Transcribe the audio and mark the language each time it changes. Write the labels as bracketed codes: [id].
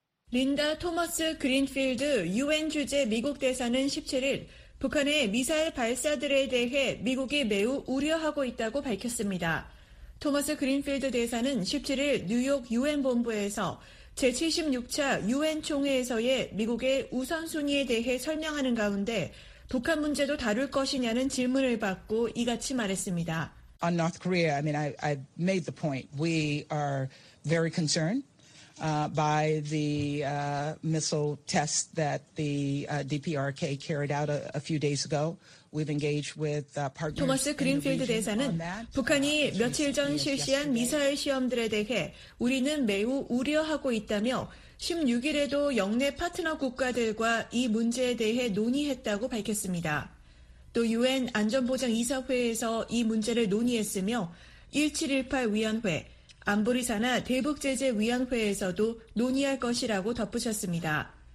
[ko] 린다 토머스 그린필드 유엔 주재 미국 대사는 17일 북한의 미사일 발사들에 대해 미국이 매우 우려하고 있다고 밝혔습니다. 토머스 그린필드 대사는 17일 뉴욕 유엔 본부에서 제76차 유엔 총회에서의 미국의 우선순위에 대해 설명하는 가운데 북한 문제도 다룰 것이냐는 질문을 받고 이같이 말했습니다. [en] On North Korea, I mean, I made the point. We are very concerned by the missile test that the DPRK carried out a few days ago. We've engaged with partners. [ko] 토머스 그린필드 대사는 북한이 며칠 전 실시한 미사일 시험들에 대해 우리는 매우 우려하고 있다며 16일에도 영내 파트너 국가들과 이 문제에 대해 논의했다고 밝혔습니다. 또 유엔 안전보장 이사회에서 이 문제를 논의했으며 1718 위원회, 안보리사나 대북제재위원회에서도 논의할 것이라고 덧붙였습니다.